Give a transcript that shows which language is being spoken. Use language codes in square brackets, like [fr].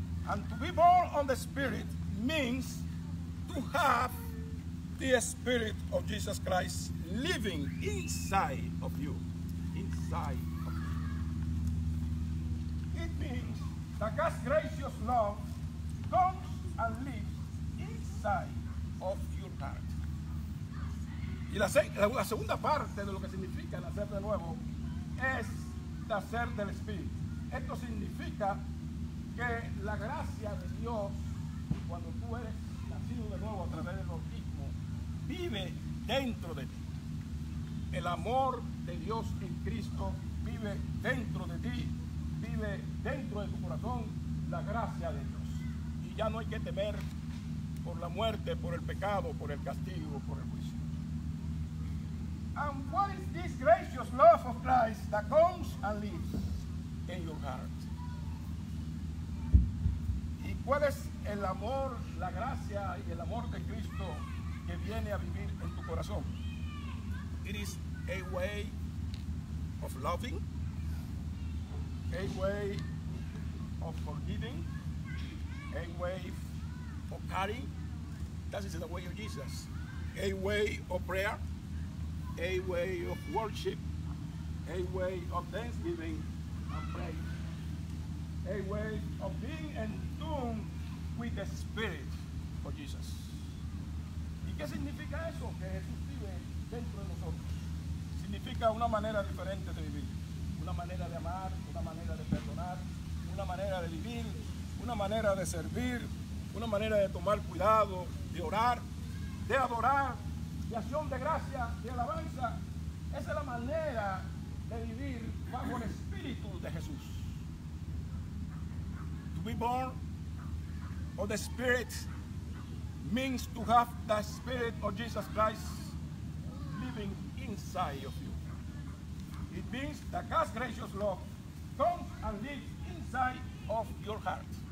[en] And to be born of the Spirit means to have the Spirit of Jesus Christ living inside of you. Inside of you. It means that God's gracious love comes and lives inside of your heart. [es] Y la segunda parte de lo que significa nacer de nuevo es nacer del Espíritu. Esto significa que la gracia de Dios, cuando tú eres nacido de nuevo a través del bautismo, vive dentro de ti. El amor de Dios en Cristo vive dentro de ti, vive dentro de tu corazón, la gracia de Dios. Y ya no hay que temer por la muerte, por el pecado, por el castigo, por el juicio. [en] And what is this gracious love of Christ that comes and lives in your heart? [es] ¿Y cuál es el amor, la gracia y el amor de Cristo que viene a vivir en tu corazón? [en] It is a way of loving, a way of forgiving, a way of caring. That is the way of Jesus. A way of prayer. A way of worship, a way of thanksgiving and praise, a way of being in tune with the Spirit of Jesus. [es] ¿Y qué significa eso? Que Jesús vive dentro de nosotros. Significa una manera diferente de vivir, una manera de amar, una manera de perdonar, una manera de vivir, una manera de servir, una manera de tomar cuidado, de orar, de adorar. De acción de gracia, de alabanza. Esa es la manera de vivir bajo el Espíritu de Jesús. [en] To be born of the Spirit means to have the Spirit of Jesus Christ living inside of you. It means that God's gracious love comes and lives inside of your heart.